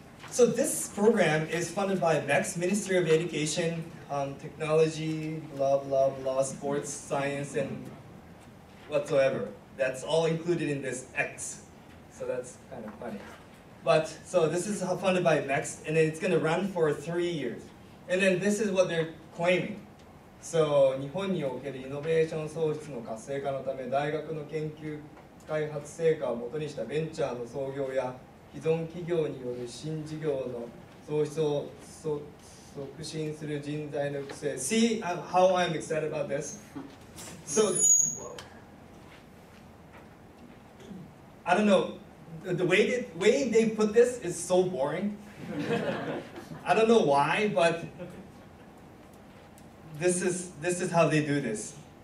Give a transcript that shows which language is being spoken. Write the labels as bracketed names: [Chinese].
[English] So this program is funded by MEX, Ministry of Education, Technology, blah, blah, blah, sports, science, and whatsoever. That's all included in this X. So that's kind of funny. But so this is funded by MEX, and then it's going to run for 3 years. And then this is what they're claiming. [Japanese] So, 日本におけるイノベーション創出の活性化のため、大学の研究開発成果をもとにしたベンチャーの創業や既存企業による新事業の創出を促進する人材の育成。 [English] See how I'm excited about this? So, I don't know, the way they put this is so boring. I don't know why, but This is how they do this.